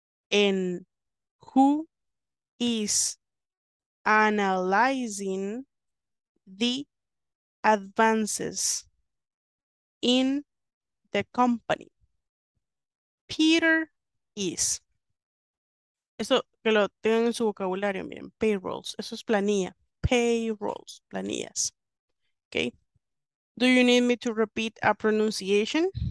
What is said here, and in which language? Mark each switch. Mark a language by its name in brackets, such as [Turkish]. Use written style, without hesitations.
[English] And who is analyzing the advances in the company? Peter is. [Spanish] Eso que lo tengan en su vocabulario, miren, payrolls, eso es planilla. payrolls, planillas. Okay. [English] Do you need me to repeat a pronunciation?